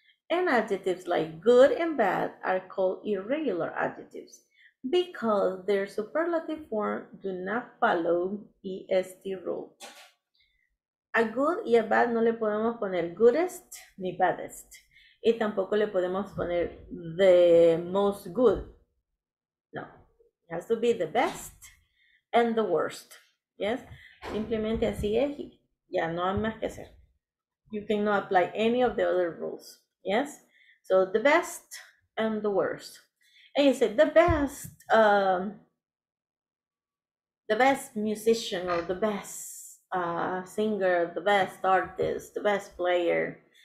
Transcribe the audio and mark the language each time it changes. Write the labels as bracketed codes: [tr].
[en] And adjectives like good and bad are called irregular adjectives because their superlative form do not follow EST rule. [es] A good y a bad no le podemos poner goodest ni baddest. Y tampoco le podemos poner [en] the most good. No, it has to be the best and the worst. Yes? [es] Simplemente así es, ya no hay más que hacer. [en] You cannot apply any of the other rules, yes? So the best and the worst. And you say the best musician or the best singer, the best artist, the best player.